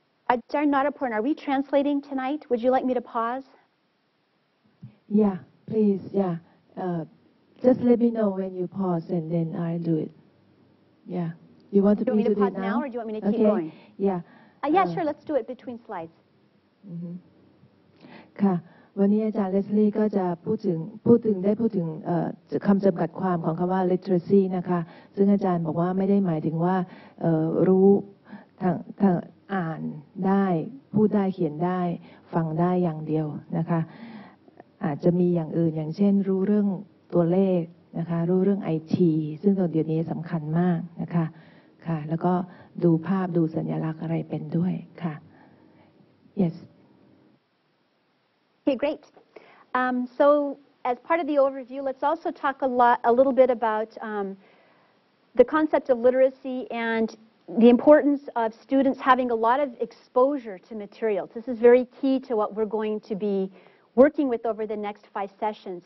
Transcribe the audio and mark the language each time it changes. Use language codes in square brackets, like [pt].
[en] Ajarn Nadapurn, are we translating tonight? Would you like me to pause? Yeah, please, yeah. Just let me know when you pause and then I'll do it. Yeah. You want to do it now? Do you want me to pause now or do you want me to keep okay. going? Yeah. Yeah, sure, let's do it between slides. [th] ค่ะวันนี้อาจารย์เลสลีย์ก็จะพูดถึงได้พูดถึงคำจำกัดความของคำว่า literacy นะคะซึ่งอาจารย์บอกว่าไม่ได้หมายถึงว่ารู้ทางอ่านได้พูดได้เขียนได้ฟังได้อย่างเดียวนะคะอาจจะมีอย่างอื่นอย่างเช่นรู้เรื่องตัวเลขนะคะรู้เรื่อง IT ซึ่งตัวเดียวนี้สำคัญมากนะคะค่ะแล้วก็ดูภาพดูสัญลักษณ์อะไรเป็นด้วยค่ะ yes [en] Okay, great. So as part of the overview, let's also talk a little bit about the concept of literacy and the importance of students having a lot of exposure to materials. This is very key to what we're going to be working with over the next five sessions.